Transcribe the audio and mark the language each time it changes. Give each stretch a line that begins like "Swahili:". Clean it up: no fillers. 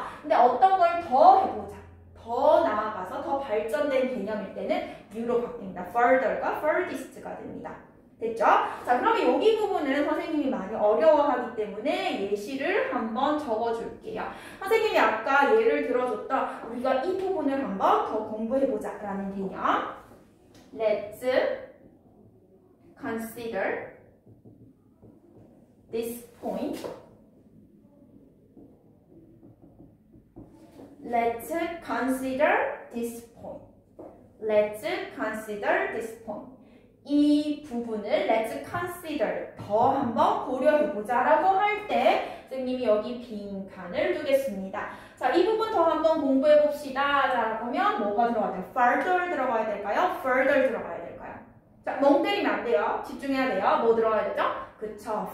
Korean: 근데 어떤 걸 더 해보자, 더 나아가서 더 발전된 개념일 때는 U로 바뀝니다. Further가 Furthest가 됩니다. 됐죠? 자, 그러면 여기 부분은 선생님이 많이 어려워하기 때문에 예시를 한번 적어줄게요. 선생님이 아까 예를 들어줬던 우리가 이 부분을 한번 더 공부해보자 라는 개념.
English: Let's consider this point. Let's consider this point. Let's consider this point.
Korean: 이 부분을
English: let's consider
Korean: 더 한번 고려해보자 라고 할 때 선생님이 여기 빈칸을 두겠습니다. 자, 이 부분 더 한번 공부해봅시다 라고 하면 뭐가 들어가야 돼요? Further 들어가야 될까요? Further 들어가야 될까요? 자, 멍 때리면 안 돼요. 집중해야 돼요. 뭐 들어가야 되죠? 그쵸.